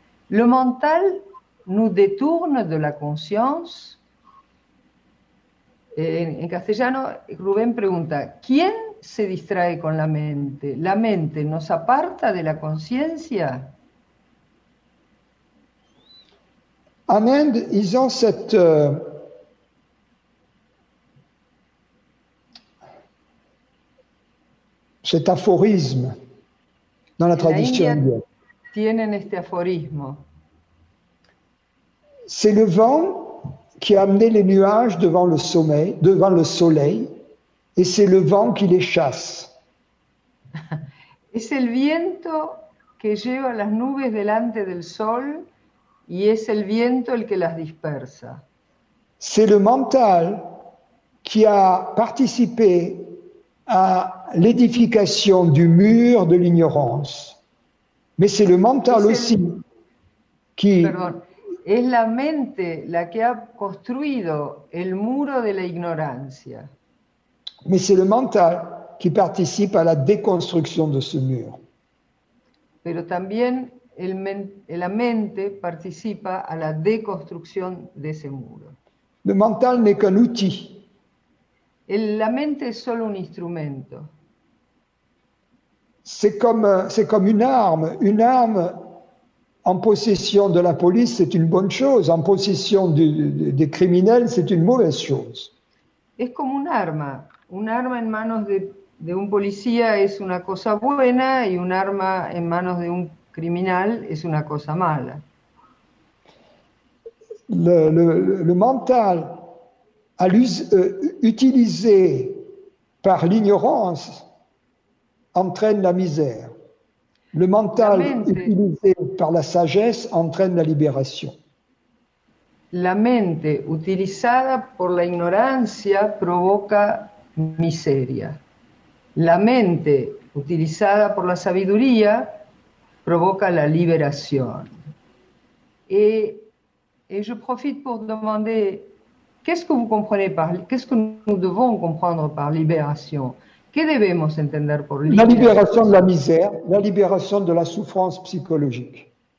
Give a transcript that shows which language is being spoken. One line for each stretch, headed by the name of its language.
French: Le mental nous détourne de la conscience.
Spanish: En castellano, Rubén pregunta, ¿quién se distrae con la mente? ¿La mente nos aparta de la conciencia?
French: En Inde, ils ont cette cet aphorisme dans la tradition indienne.
Spanish: Tienen este aforismo.
French: C'est le vent qui a amené les nuages devant le soleil, et c'est le vent qui les chasse.
Spanish: Es el viento que lleva las nubes delante del sol y es el viento el que las dispersa.
French: C'est le mental qui a participé à l'édification du mur de l'ignorance. Mais c'est le mental aussi qui...
Spanish: Es la mente la que ha construido el muro de la ignorancia.
French: Mais c'est le mental qui participe à la déconstruction de ce mur.
Spanish: Pero también la mente participa a la deconstrucción de ese muro.
French: Le mental n'est qu'un outil.
Spanish: La mente es solo un instrumento.
French: C'est comme une arme en possession de la police, c'est une bonne chose. En possession des criminels, c'est une mauvaise chose.
Spanish: Es como un arma. Un arma en manos de un policía es una cosa buena y un arma en manos de un criminal es una cosa mala.
French: Le mental à utilisé par l'ignorance entraîne la misère. Le mental utilisé par la sagesse entraîne la libération.
Spanish: La mente utilizada por la ignorancia provoca miseria. La mente utilizada por la sabiduría provoca la liberación.
French: Et je profite pour demander: qu'est-ce que vous comprenez par, qu'est-ce que nous devons comprendre par libération?
Spanish: Que debemos entender por libération?
French: La libération de la misère, la libération de la souffrance psychologique.